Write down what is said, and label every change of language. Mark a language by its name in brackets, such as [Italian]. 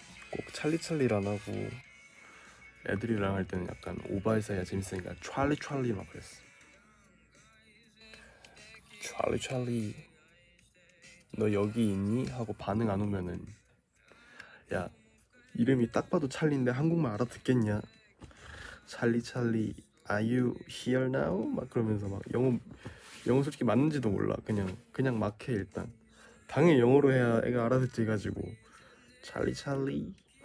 [Korean] 꼭 찰리 찰리 안 하고 애들이랑 할 때는 약간 오바해서야 재밌으니까 찰리 찰리 막 그랬어. 찰리 찰리 너 여기 있니? 하고 반응 안 오면은 야 이름이 딱 봐도 찰리인데 한국말 알아듣겠냐? [English] 찰리 찰리 Are you here now? [Korean] 막 그러면서 막 영어 솔직히 맞는지도 몰라. 그냥 막 해. 일단 당연히 영어로 해야 애가 알아듣지 해가지고 찰리 찰리.